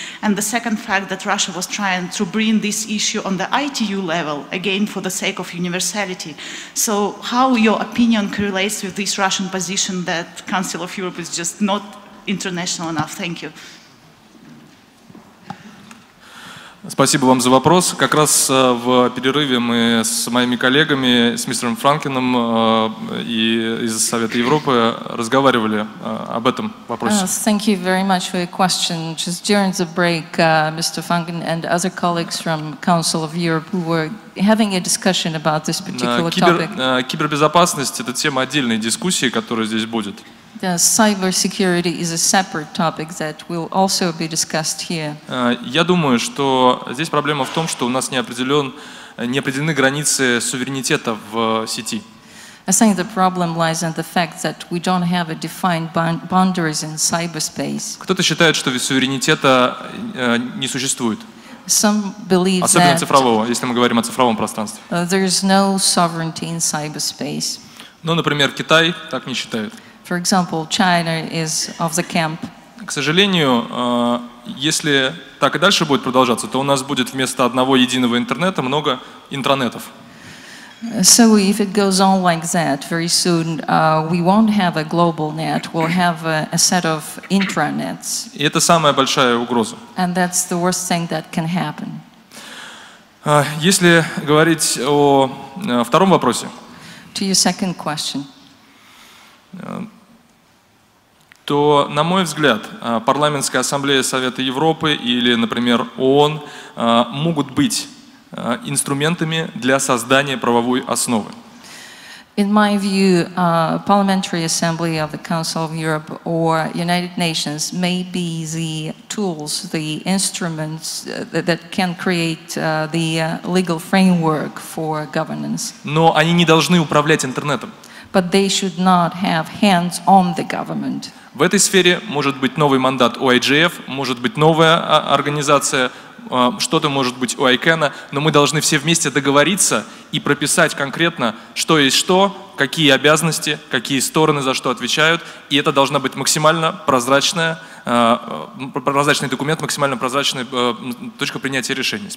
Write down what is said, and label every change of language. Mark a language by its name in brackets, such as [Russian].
[English] And the second fact that Russia was trying to bring this issue on the ITU level, again, for the sake of universality. So how your opinion correlates with this Russian position that Council of Europe is just not international enough? Thank you. [Russian] Спасибо вам за вопрос. Как раз в перерыве мы с моими коллегами, с мистером Франкеном и из Совета Европы разговаривали об этом вопросе. [English] Thank you very much for your question. Just during the break, Mr. Franken and other colleagues from Council of Europe who were having a discussion about this particular topic. [Russian] Кибербезопасность — это тема отдельной дискуссии, которая здесь будет. [English] Cybersecurity is a separate topic that will also be discussed here. [Russian] Я думаю, что здесь проблема в том, что у нас не определены границы суверенитета в сети. [English] I think the problem lies in the fact that we don't have a defined boundaries in cyberspace. [Russian] Кто-то считает, что суверенитета не существует. [English] Some believe [Russian] особенно that цифрового, если мы говорим о цифровом пространстве. [English] There is no sovereignty in cyberspace. [Russian] Ну, например, Китай так не считает. [English] For example, China is of the camp. [Russian] К сожалению, если так и дальше будет продолжаться, то у нас будет вместо одного единого интернета много интранетов. [English] So if it goes on like that, very soon we won't have a global net, we'll have a set of intranets. [Russian] И это самая большая угроза. [English] And that's the worst thing that can happen. [Russian] Если говорить о втором вопросе. [English] To your second question. [Russian] То, на мой взгляд, Парламентская ассамблея Совета Европы или, например, ООН могут быть инструментами для создания правовой основы. [English] In my view, Parliamentary Assembly of the Council of Europe or United Nations may be the tools, the instruments that can create the legal framework for governance. [Russian] Но они не должны управлять интернетом. [English] But they should not have hands on the government. [Russian] В этой сфере может быть новый мандат у IGF, может быть новая организация, что-то может быть у ICANN, но мы должны все вместе договориться и прописать конкретно, что есть что, какие обязанности, какие стороны за что отвечают, и это должна быть максимально прозрачная, прозрачный документ, максимально прозрачная точка принятия решений.